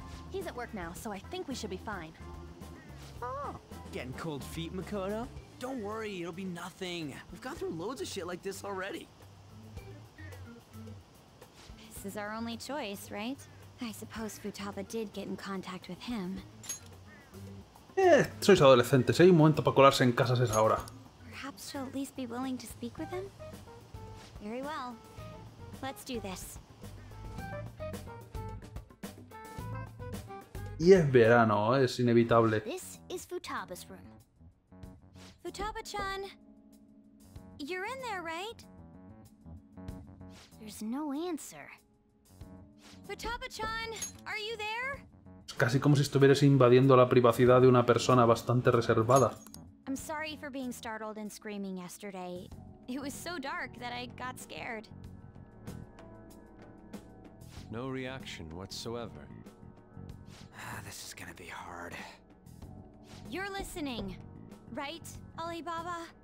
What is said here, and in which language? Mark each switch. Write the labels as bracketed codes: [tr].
[en] He's at work now, so I think we should be fine. Oh, getting cold feet, Makoto? Don't worry, it'll be nothing. We've gone through loads of shit like this already. This is our only choice, right? I suppose Futaba did get in contact with him. [es] Sois adolescentes, hay un momento para colarse en casas es ahora. [en] Perhaps she'll at least be willing to speak with him? Very well. Let's do this. [es] Y es verano, es inevitable. [en] This is Futaba's room. Futaba-chan, you're in there, right? There's no answer. Futaba-chan, are you there? [es] Es casi como si estuvieras invadiendo la privacidad de una persona bastante reservada. [en] I'm sorry for being startled and screaming yesterday. It was so dark that I got scared. No reaction whatsoever. This is gonna be hard. You're listening, right, Alibaba?